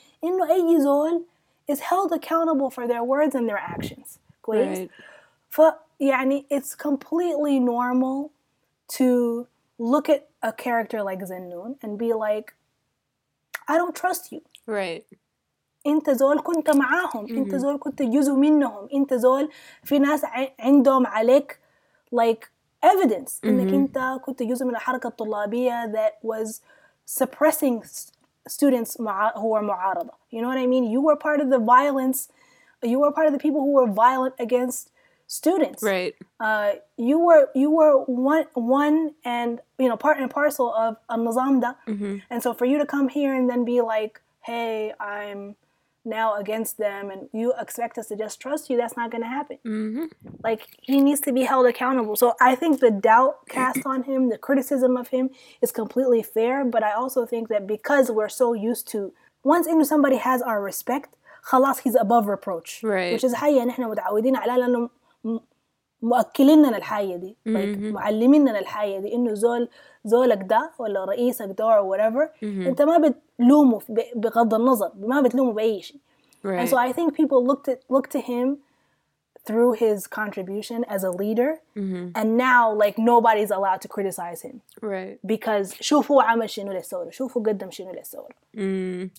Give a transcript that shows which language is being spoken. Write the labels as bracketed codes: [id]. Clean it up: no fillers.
[ar] إنه أي زول [en] is held accountable for their words and their actions. Right. فيعني it's completely normal to look at a character like Zannoun and be like, I don't trust you. Right. [ar] انت زول كنت معاهم. انت زول كنت جزء منهم. انت زول في ناس عندهم عليك [en] like evidence. [ar] انك انت كنت جزء من الحركة الطلابية [en] that was suppressing students who were [ar] معارضة. [en] You know what I mean? You were part of the violence. You were part of the people who were violent against students. Right. You were one and, you know, part and parcel of al-Nizamda. And so for you to come here and then be like, hey, I'm now against them, and you expect us to just trust you, that's not going to happen. Like, he needs to be held accountable. So I think the doubt cast on him, the criticism of him, is completely fair. But I also think that because we're so used to, once somebody has our respect, خلاص, he's above reproach. Right. [ar] Which is حيا نحن متعودين على لأنه مؤكلين لنا الحاجة دي, like, معلمين لنا الحاجة دي, إنه زولك ده ولا رئيسك ده [en] or whatever, [ar] أنت ما بتلومه بغض النظر, ما بتلومه بأي شيء. [en] And so I think people looked to him through his contribution as a leader, and now, like, nobody's allowed to criticize him. Right. Because [ar] شوفوا عمل شنو للثورة, شوفوا قدم شنو للثورة.